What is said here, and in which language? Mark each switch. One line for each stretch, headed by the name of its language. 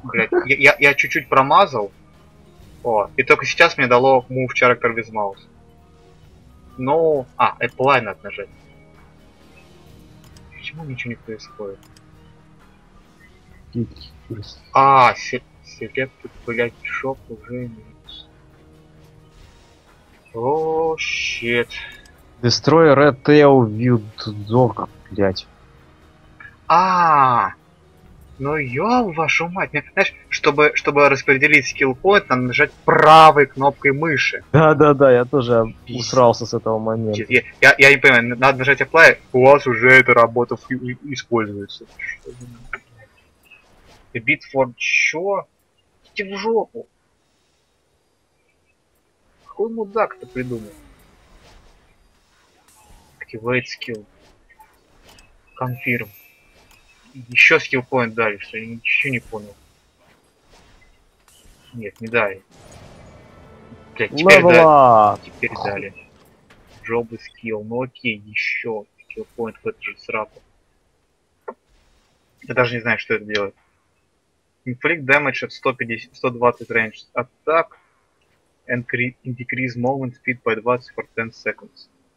Russian: Блять, я чуть-чуть промазал. О, и только сейчас мне дало
English: Move Character with Mouse.
Russian: Ну, Apply надо нажать. Почему ничего не происходит? А, Select, блять, Shop уже минус. О, щит.
English: Destroy Red Tail Wild Dog, блять.
Russian: Ааа! Ну ёл вашу мать! Мне, знаешь, чтобы распределить skill point, надо нажать правой кнопкой мыши. Да-да-да, я тоже усрался с этого момента. Я не понимаю, надо нажать apply, у вас уже эта работа используется.
English: The beat for
Russian: чё? Идите в жопу! Какой мудак-то придумал?
English: Activate skill. Confirm.
Russian: Еще skill point дали, что я ничего не понял. Нет, не дали. Так, теперь дали. Job skill. Ну окей, еще skill point в эту же срапу. Я даже не знаю, что это делает.
English: Inflict damage at 120 range attack. And decrease movement speed by 20 for 10 seconds.